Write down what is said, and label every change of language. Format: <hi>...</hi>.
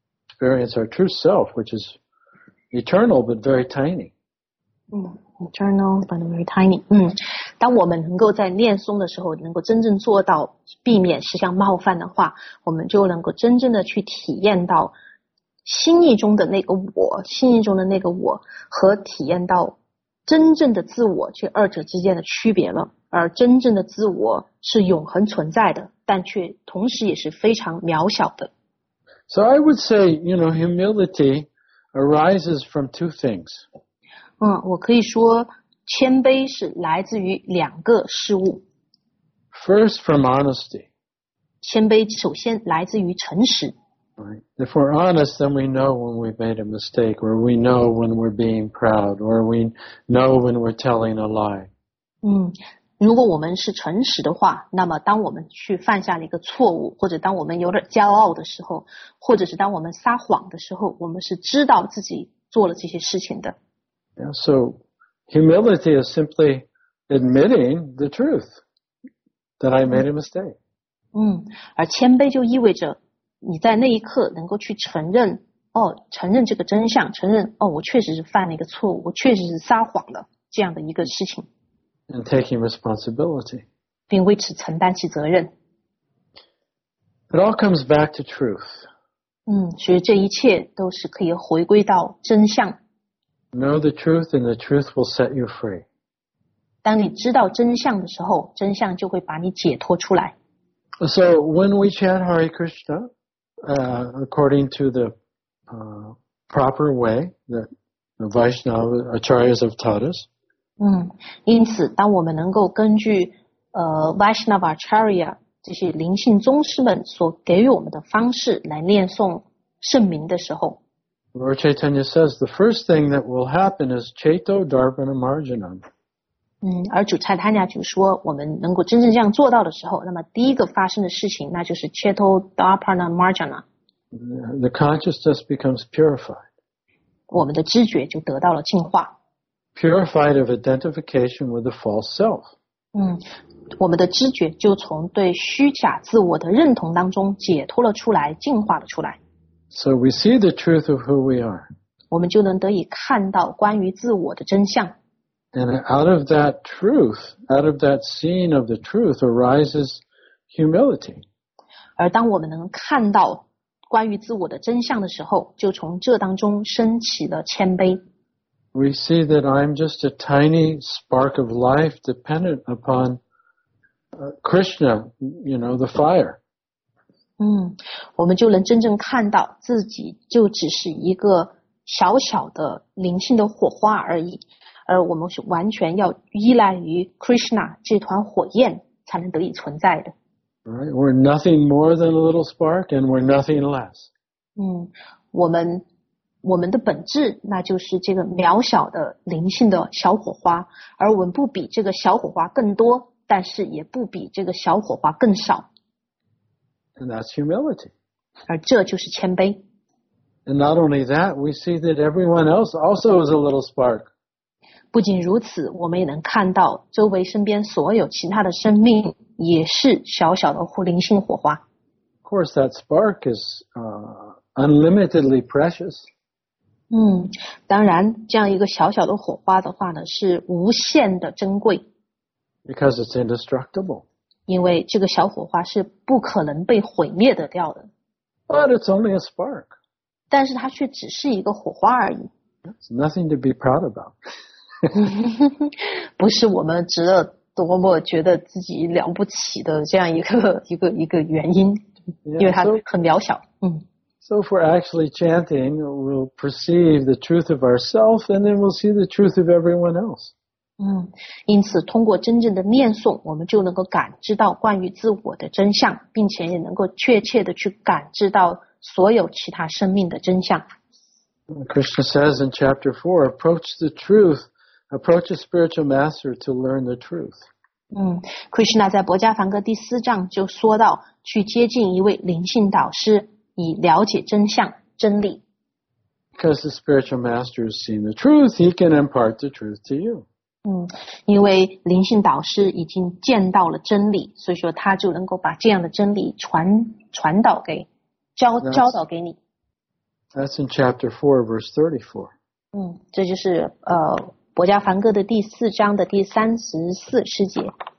<en>Experience our true self, which is eternal but very tiny. Eternal but very tiny.</en> <zh>当我们能够在念诵的时候能够真正做到避免十项冒犯的话，我们就能够真正的去体验到心意中的那个我，心意中的那个我和体验到真正的自我这二者之间的区别了。而真正的自我是永恒存在的，但却同时也是非常渺小的。</zh> <en>So I would say, you know, humility arises from two things.</en> <zh>我可以说谦卑是来自于两个事物。</zh> <en>First, from honesty.</en> <zh>谦卑首先来自于诚实。</zh> <en>Right. If we're honest, then we know when we've made a mistake, or we know when we're being proud, or we know when we're telling a lie.</en> <zh>如果我们是诚实的话，那么当我们去犯下了一个错误，或者当我们有点骄傲的时候，或者是当我们撒谎的时候，我们是知道自己做了这些事情的。</zh> <en>Yeah, so humility is simply admitting the truth that I made a mistake.</en> <zh>而谦卑就意味着你在那一刻能够去承认哦，承认这个真相，承认哦，我确实是犯了一个错误，我确实是撒谎了，这样的一个事情。</zh> <en>And taking responsibility.</en> <zh>并为此承担起责任。</zh> <en>It all comes back to truth.</en> <zh>所以这一切都是可以回归到真相。</zh> <en>Know the truth and the truth will set you free.</en> <zh>当你知道真相的时候，真相就会把你解脱出来。</zh> <en>So when we chant Hare Krishna, according to the proper way that the Vaishnava Acharyas have taught us.</en> <zh>因此当我们能够根据Vaishnava Acharya 这些灵性宗师们所给予我们的方式来念诵圣名的时候，</zh> <en>Lord Chaitanya says the first thing that will happen is Chaito Dharpana Marjanam.</en> <zh>而主菜坦亚就说我们能够真正这样做到的时候，那么第一个发生的事情那就是 Chaito Dharpana Marjanam。</zh> <en>The consciousness becomes purified.</en> <zh>我们的知觉就得到了净化。</zh> <en>Purified of identification with the false self.</en> <zh>我们的知觉就从对虚假自我的认同当中解脱了出来，净化了出来。</zh> <en>So we see the truth of who we are.</en> <zh>我们就能得以看到关于自我的真相。</zh> <en>And out of that truth, out of that seeing of the truth, arises humility.</en> <zh>而当我们能看到关于自我的真相的时候，就从这当中升起了谦卑。</zh> <en>We see that I'm just a tiny spark of life dependent upon Krishna, you know, the fire.</en> <zh>我们就能真正看到自己就只是一个小小的灵性的火花而已，而我们是完全要依赖于 Krishna 这团火焰才能得以存在的。</zh> <en>Right, we're nothing more than a little spark, and we're nothing less.</en> <zh>我们的本质那就是这个渺小的灵性的小火花，而我们不比这个小火花更多，但是也不比这个小火花更少。</zh> <en>And that's humility.</en> <zh>而这就是谦卑。</zh> <en>And not only that, we see that everyone else also is a little spark.</en> <zh>不仅如此，我们也能看到周围身边所有其他的生命。也是小小的灵性火花。</zh> <en>Of course, that spark is unlimitedly precious.</en> <zh>当然，这样一个小小的火花的话呢，是无限的珍贵。</zh> <en>Because it's indestructible.</en> <zh>因为这个小火花是不可能被毁灭的掉的。</zh> <en>But it's only a spark.</en> <zh>但是它却只是一个火花而已。</zh> <en>It's nothing to be proud about.</en> <zh>不是我们值得。多么觉得自己了不起的这样一个原因，因为它很渺小。</zh> <en>So if we're actually chanting, we'll perceive the truth of ourself, and then we'll see the truth of everyone else.</en> <zh>因此通过真正的念诵，我们就能够感知到关于自我的真相，并且也能够确切的去感知到所有其他生命的真相。</zh> <en>Krishna says in chapter 4, approach the truth. Approach a spiritual master to learn the truth.</en> <zh>Krishna 在薄伽梵歌第四章就说到，去接近一位灵性导师，以了解真相、真理。</zh> <en>Because the spiritual master has seen the truth, he can impart the truth to you.</en> <zh>因为灵性导师已经见到了真理，所以说他就能够把这样的真理教导给你。</zh> <en>That's in chapter 4, verse 34.</en> <zh>这就是薄伽梵歌的第四章的第34节。</zh>